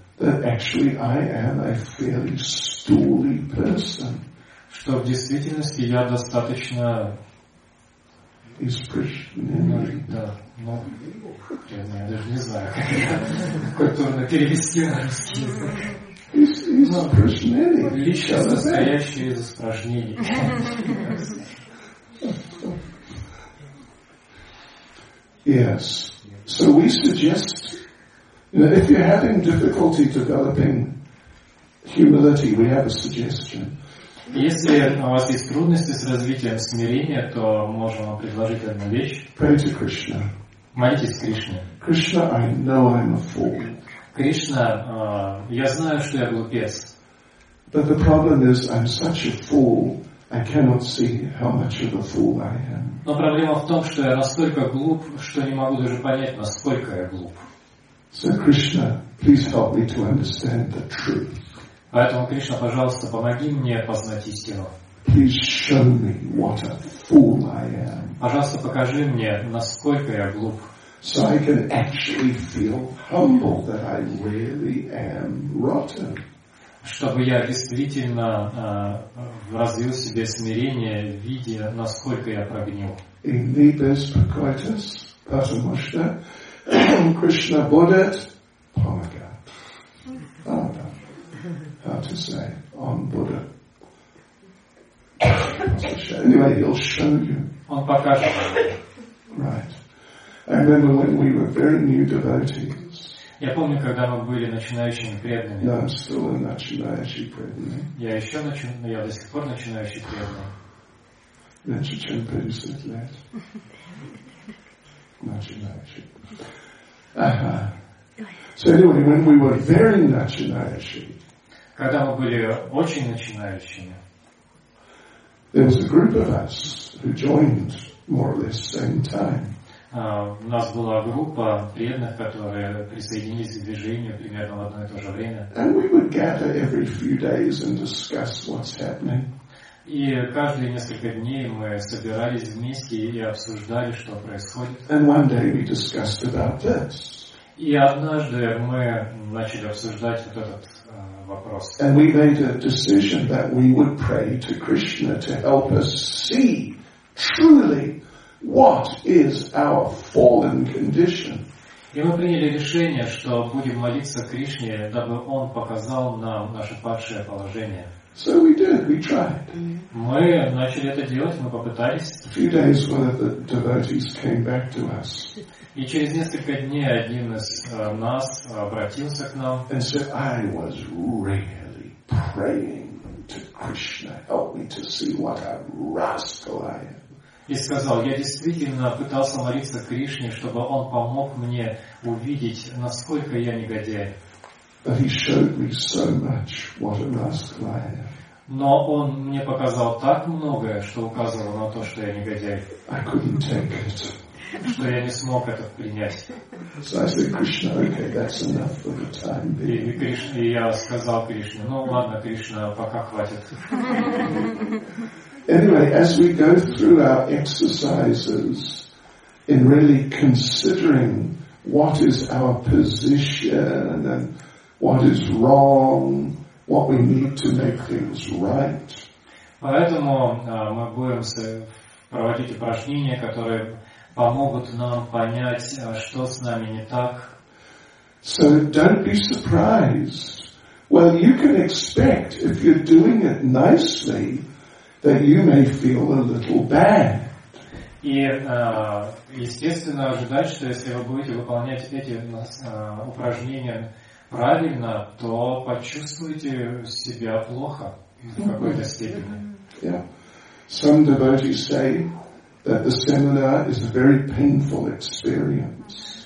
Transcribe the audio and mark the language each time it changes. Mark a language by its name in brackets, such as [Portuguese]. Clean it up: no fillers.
[English] That actually I am a fairly stool-y person. [Russian] Что в действительности я достаточно... [English] Is Krishna. [Russian] Да, но я даже не знаю, как это культурно перевести на русский язык. [English] Is Krishna. [Russian] Лично состоящее из испражнений. [English] Yes. So we suggest, you know, if you're having difficulty developing humility, we have a suggestion. [Russian] Если у вас есть трудности с развитием смирения, то можем вам предложить одну вещь. [English] Pray to Krishna. [Russian] Молитесь Кришне. [English] Krishna, I know I'm a fool. [Russian] Кришна, я знаю, что я глупец. [English] But the problem is, I'm such a fool, I cannot see how much of a fool I am. [Russian] Но проблема в том, что я настолько глуп, что не могу даже понять, насколько я глуп. [English] So Krishna, please help me to understand the truth. [Russian] Поэтому, Кришна, пожалуйста, помоги мне познать истину. [English] Please show me what a fool I am. [Russian] Пожалуйста, покажи мне, насколько я глуп. [English] So I can actually feel humble that I really am rotten. [Russian] Чтобы я действительно развил в себе смирение, видя, насколько я прогнил. Inibes pacoitas, patamushta, Krishna bodhat, pomagat. [English] How to say, on Buddha. Anyway, he'll show you. [Russian] Он покажет. [English] Right. I remember when we were very new devotees. [Russian] Я помню, когда мы были начинающими преданными. [English] No, I'm still a [Russian] начинающий преданный. Я еще начинаю, я до сих пор начинающий преданный. Меньше, чем 50 лет. Начинающий. Ага. [English] So anyway, when we were very [Russian] начинающий. Когда мы были очень начинающими. [English] There was a group of us who joined more or less same time. [Russian] У нас была группа преданных, которые присоединились к движению примерно в одно и то же время. [English] And we would gather every few days and discuss what's happening. [Russian] И каждые несколько дней мы собирались вместе и обсуждали, что происходит. [English] And one day we discussed about this. [Russian] И однажды мы начали обсуждать вот этот вопрос. [English] And we made a decision that we would pray to Krishna to help us see truly what is our fallen condition? [Russian] И мы приняли решение, что будем молиться Кришне, дабы Он показал нам наше падшее положение. [English] So we did. We tried. [Russian] Мы начали это делать. Мы попытались. [English] A few days, one of the devotees came back to us. [Russian] И через несколько дней один из нас обратился к нам. [English] And said, I was really praying to Krishna, help me to see what a rascal I am. [Russian] И сказал, я действительно пытался молиться Кришне, чтобы он помог мне увидеть, насколько я негодяй. [English] But he showed me so much what a rascal I am. [Russian] Но он мне показал так многое, что указывало на то, что я негодяй. [English] I couldn't take it. [Russian] Что я не смог это принять. [English] So I said, Krishna, okay, that's enough for the time being. [Russian] И Кришна, я сказал Кришне, ну ладно, Кришна, пока хватит. [English] Anyway, as we go through our exercises in really considering what is our position and what is wrong, what we need to make things right. [Russian] Поэтому мы будем проводить упражнения, которые помогут нам понять, что с нами не так. [English] So don't be surprised. Well, you can expect, if you're doing it nicely, that you may feel a little bad. [Russian] И, естественно, ожидать, что если вы будете выполнять эти упражнения правильно, то почувствуете себя плохо в какой-то степени. [English] Yeah. Some devotees say that the seminar is a very painful experience.